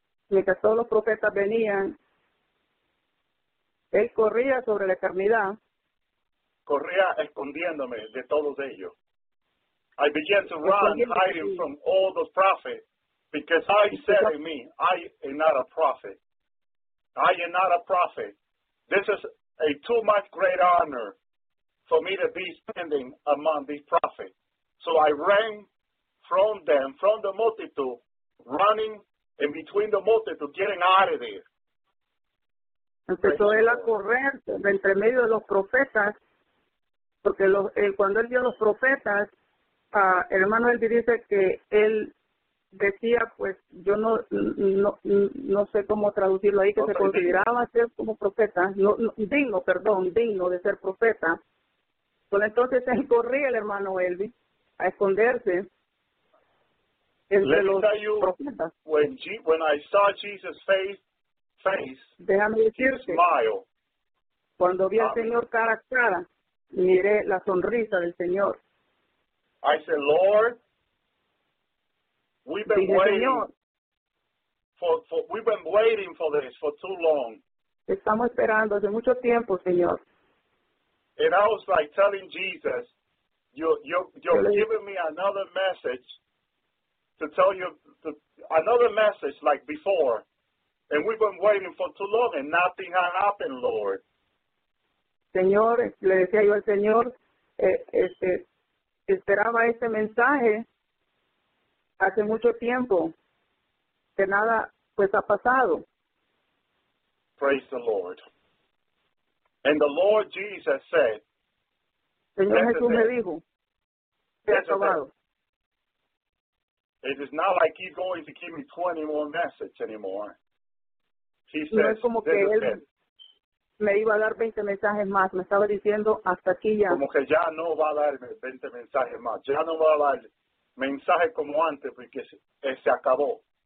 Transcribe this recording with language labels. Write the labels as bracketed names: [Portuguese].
[Spanish] Mientras todos los profetas venían, él corría sobre la eternidad. Corría escondiéndome de todos ellos. [English] I began to run, hiding from all those prophets, because I said to me, I am not a prophet. I am not a prophet. This is a too much great honor for me to be standing among these prophets. So I ran from them, from the multitude, running in between the multitude, getting out of there. [Spanish] Empezó él a correr entre medio de los profetas, porque cuando él vio a los profetas, el hermano él dice que él decía, pues yo no sé cómo traducirlo ahí, que se consideraba ser como profeta, digno de ser profeta. Pues entonces él corría, el hermano Elvis, a esconderse entre los profetas. [English] When I saw Jesus' face, [Spanish] déjame decirte, cuando vi al Señor cara a cara, miré la sonrisa del Señor. [English] I said, Lord, we've been waiting for this for too long. [Spanish] Estamos esperando hace mucho tiempo, Señor. [English] And I was like telling Jesus, you're giving me another message to tell you another message like before. And we've been waiting for too long and nothing has happened, Lord. [Spanish] Señor, le decía yo al Señor, esperaba ese mensaje hace mucho tiempo, que nada pues ha pasado. [English] Praise the Lord. And the Lord Jesus said, [Spanish] Señor Jesús me dijo, se ha acabado. [English] It is not like he's going to give me 20 more messages anymore. He says, [Spanish] no es como que él me iba a dar 20 mensajes más. Me estaba diciendo, hasta aquí ya. Como que ya no va a darme 20 mensajes más. Ya no va a dar mensajes como antes, porque se acabó.